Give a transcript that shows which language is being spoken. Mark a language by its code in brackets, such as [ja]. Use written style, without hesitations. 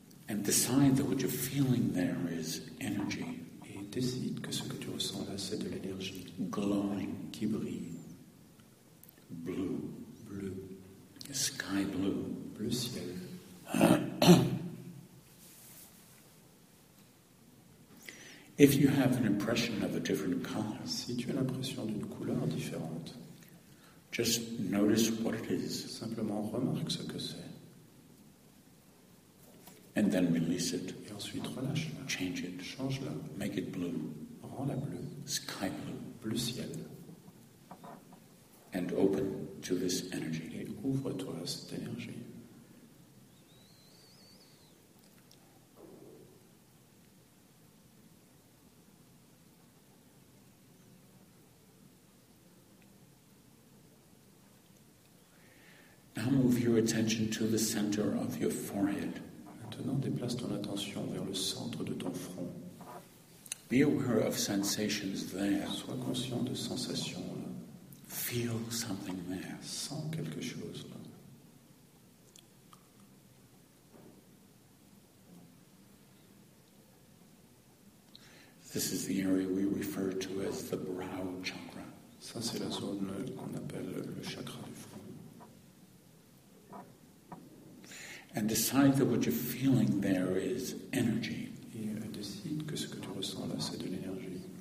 [en] And decide that what you're feeling there is energy. [fr] Et décide que ce que tu ressens là, c'est de l'énergie. [en] Glowing. [fr] Qui brille. [en] Blue. [fr] Bleu. [en] Sky blue. [fr] Bleu ciel. [en] If you have an impression of a different color. [fr] Si tu as l'impression d'une couleur différente. [en] Just notice what it is. [fr] Simplement remarque ce que c'est. [en] And then release it. [fr] Et ensuite relâche-la. [en] Change it. [fr] Change-la. [en] Make it blue. [fr] Rends-la bleue. [en] Sky blue. [fr] Bleu ciel. [en] And open to this energy. [fr] Et ouvre-toi à cette énergie. [en] Now move your attention to the center of your forehead. [fr] Maintenant, déplace ton attention vers le centre de ton front. [en] Be aware of sensations there. [fr] Sois conscient de sensations là. [en] Feel something there. [fr] Sens quelque chose là. [en] This is the area we refer to as the brow chakra. [fr] Ça, c'est la zone qu'on appelle le chakra du front. [en] And decide that what you're feeling there is energy. [fr] Et décide que ce que tu ressens là, c'est de l'énergie.